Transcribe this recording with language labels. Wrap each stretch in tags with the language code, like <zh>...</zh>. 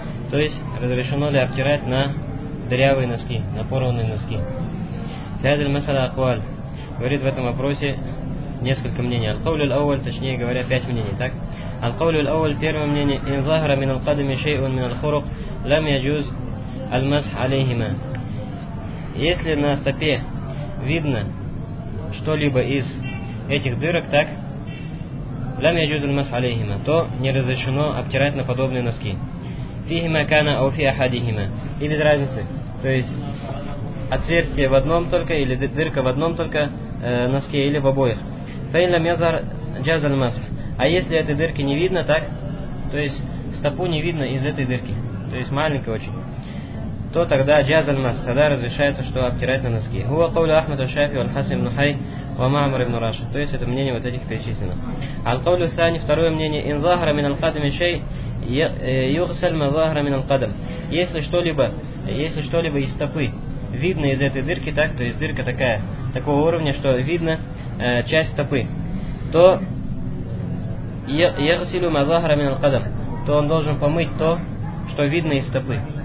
<ru>То есть разрешено ли обтирать на дырявые носки, на порванные носки?</ru> <ar>هذا المسألة أقوال.</ar> <ru>Говорит в этом вопросе несколько мнений.</ru> <ar>القول الأول,</ar> <ru>точнее говоря, пять мнений, так?</ru> <ar>القول الأول,</ar> <ru>первое мнение:</ru> <ar>إن ظهر من القدم شيء من الخرق لم يجوز المسح عليهما.</ar> <ru>Если на стопе видно что-либо из этих дырок, так,</ru> <ar>لم يجوز المسح عليهما,</ar> <ru>то не разрешено обтирать на подобные носки.</ru> <ar>فيهما كان أو في أحدهما,</ar> <ru>и без разницы, то есть отверстие в одном только или дырка в одном только носке или в обоих.</ru> <ar>فإن لم يظهر جاز المسح.</ar> <ru>А если этой дырки не видно, так, то есть стопу не видно из этой дырки, то есть маленькая очень, то тогда</ru> <ar>جاز المسح,</ar> <ru>тогда разрешается, что обтирать на носки.</ru> <ar>هو قول أحمد الشافعي والحسن بن حي ومعمر بن راشد.</ar> <ru>То есть это мнение вот этих перечисленных.</ru> <ar>القول الثاني,</ar> <ru>второе мнение:</ru> <ar>إن ظهر من القدم شيء يغسل ما ظهر من القدم.</ar> <ru>Если что-либо из стопы видно из этой дырки, так, то есть дырка такая, такого уровня, что видно часть стопы, то</ru> <ar>يغسلوا ما ظهر من القدم,</ar> <ru>то он должен помыть то, что видно из стопы.</ru>